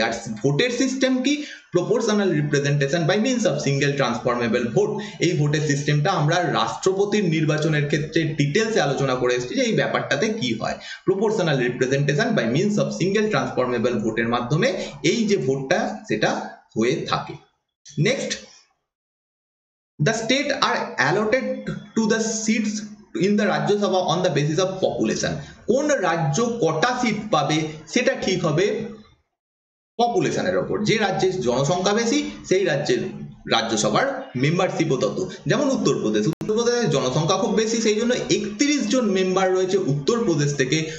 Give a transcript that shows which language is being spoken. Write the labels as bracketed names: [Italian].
[Bangla] আর ভোটের সিস্টেম কি, proportional representation by means of single ট্রান্সফর্মেবল vote. এই ভোটের সিস্টেমটা আমরা রাষ্ট্রপতির নির্বাচনের ক্ষেত্রে ডিটেলসে আলোচনা করে এসেছি যে এই ব্যাপারটাতে কি হয়। Proportional representation by means of single ট্রান্সফর্মেবল ভোটের মাধ্যমে এই যে ভোটটা সেটা হয়ে থাকে। [English] Next, the state are allotted to the seats in the Rajya Sabha on the basis of population. [Bangla] কোন রাজ্য কটা সিট পাবে সেটা ঠিক হবে পপুলেশনের উপর, যে রাজ্যের জনসংখ্যা বেশি সেই রাজ্যের রাজ্যসভার মেম্বারশিপও তত। যেমন উত্তরপ্রদেশ, উত্তরপ্রদেশের জনসংখ্যা খুব বেশি, সেই জন্য 31 জন মেম্বার রয়েছে উত্তরপ্রদেশ থেকে।